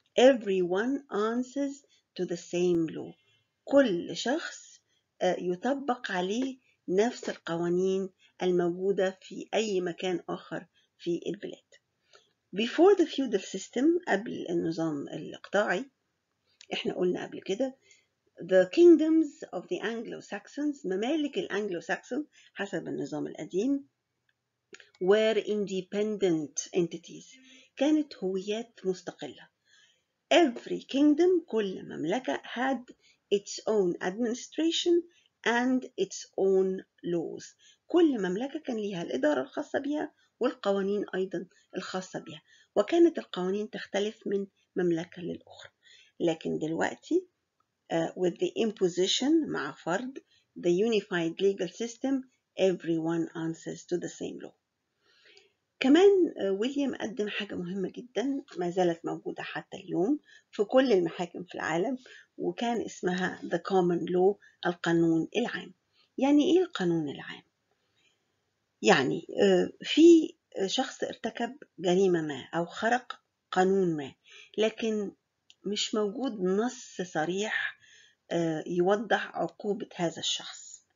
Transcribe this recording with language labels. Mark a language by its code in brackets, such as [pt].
[en] Everyone answers to the same law. [ar] كل شخص يطبق عليه نفس القوانين الموجودة في أي مكان آخر في البلاد. [en] Before the feudal system, [ar] قبل النظام الإقطاعي، إحنا قلنا قبل كده [en] The kingdoms of the Anglo-Saxons, [ar] ممالك الأنجلو-ساكسون حسب النظام القديم [en] were independent entities, [ar] كانت هويات مستقلة. [en] Every kingdom, [ar] كل مملكة [en] had its own administration and its own laws. [ar] كل مملكة كان ليها الإدارة الخاصة بها والقوانين أيضا الخاصة بها. وكانت القوانين تختلف من مملكة للأخرى. لكن دلوقتي [en] with the imposition, [ar] مع فرض, [en] the unified legal system, everyone answers to the same law. [ar] كمان ويليام قدم حاجة مهمة جدا ما زالت موجودة حتى اليوم في كل المحاكم في العالم وكان اسمها the common law, القانون العام. يعني ايه القانون العام؟ يعني في شخص ارتكب جريمة ما او خرق قانون ما لكن مش موجود نص صريح يوضح عقوبة هذا الشخص.